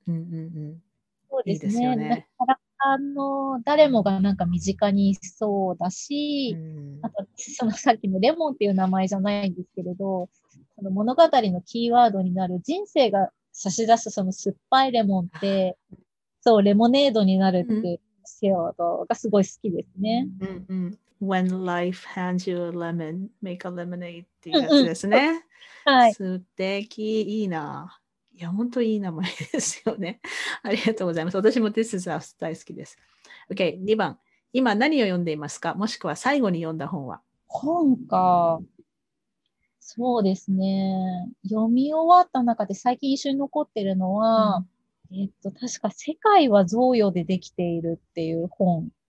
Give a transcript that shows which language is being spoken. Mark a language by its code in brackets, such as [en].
[ja] そうですね。いいですよね。誰もがなんか身近にいそうだし、あとそのさっきのレモンっていう名前じゃないんですけれど、その物語のキーワードになる人生が差し出すその酸っぱいレモンって、そう、レモネードになるっていうセオドがすごい好きですね。 [en] When life hands you a lemon, make a lemonade [ja] っていうやつですね。はい、素敵、いいな。いや、本当にいい名前ですよね。ありがとうございます。私も This is Us 大好きです。 OK、2番。今何を読んでいますか？もしくは最後に読んだ本は？本か。そうですね。読み終わった中で最近一緒に残ってるのは、うん、確か世界は贈与でできているっていう本。